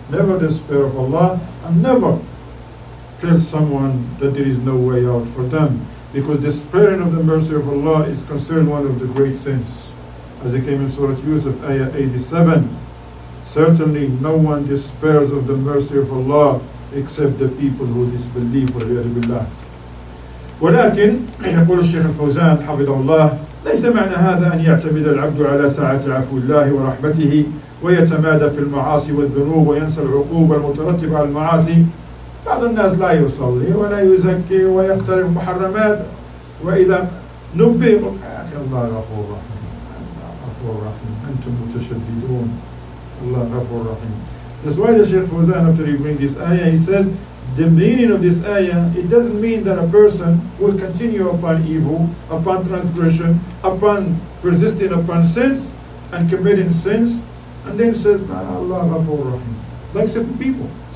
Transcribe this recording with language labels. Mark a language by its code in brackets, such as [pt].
[en] Never despair of Allah, and never tell someone that there is no way out for them. Because despairing of the mercy of Allah is considered one of the great sins. As it came in Surah Yusuf, Ayah 87. Certainly no one despairs of the mercy of Allah except the people who disbelieve. [ar] وَلِيَذِ بِاللَّهِ. ولكن يقول الشيخ الفوزان حفظه الله ليس معنى هذا أن يعتمد العبد على ساعة عفو الله ورحمته ويتمادى في المعاصي والذنوب وينسى العقوبة المترتبة على المعاصي. بعض الناس لا يصلي ولا يزكي ويقترب محرمات وإذا نبه الله غفور رحيم غفور رحيم أنتم متشددون الله غفور رحيم. [en] That's why the Sheikh Fawzan, after he brings this ayah, he says the meaning of this ayah, it doesn't mean that a person will continue upon evil, upon transgression, upon persisting upon sins and committing sins, and then says Allah [ar] غفور رحيم, [en] like certain people.